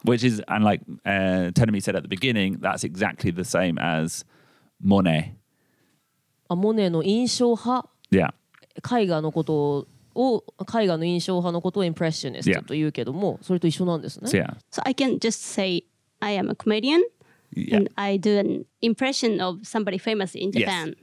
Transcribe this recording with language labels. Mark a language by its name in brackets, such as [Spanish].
[English] Which is, and like Tenemi said at the beginning, that's exactly the same as Monet. [Japanese] Monet の印象派。 [English] Yeah. [Japanese] 絵画のことを絵画の印象派のことをインプレッショニストと言うけども、 [English] yeah. [Japanese] それと一緒なんですね。 [English] So, yeah. so I can just say I am a comedian、 yeah. and I do an impression of somebody famous in Japan.